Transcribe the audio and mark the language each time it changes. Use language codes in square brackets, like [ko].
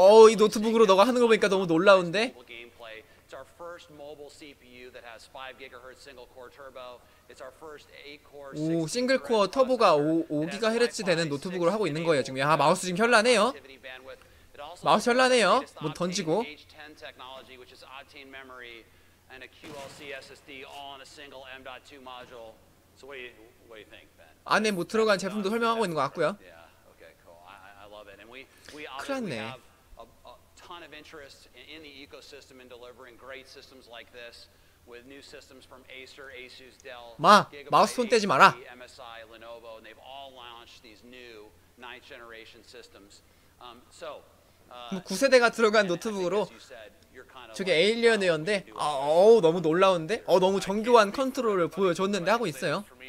[ko] 이 노트북으로 너가 하는 거 보니까 너무 놀라운데? [en] It's our first mobile CPU that has 5 GHz single core turbo. It's our first 8-core. [ko] 오, 싱글 코어 터보가 5GHz 되는 노트북으로 하고 있는 거예요, 지금. 마우스 지금 현란해요. 마우스 현란해요. 뭐 던지고. [en] H10 technology which is Optane memory and a QLC SSD all in a single M.2 module. So what do you think, Ben? [ko] 안에 뭐 들어간 제품도 설명하고 있는 것 같고요. [en] Yeah. Okay, cool. I love it. And we have ton of interest in the ecosystem in delivering great systems like this with new systems from Acer, Asus, Dell, Gigabyte, HP, MSI, Lenovo, and they've all launched these new ninth generation systems. So [ko] 9세대가 들어간 노트북으로 저게 에일리언웨어인데 너무 놀라운데? 너무 정교한 컨트롤을 보여줬는데 하고 있어요.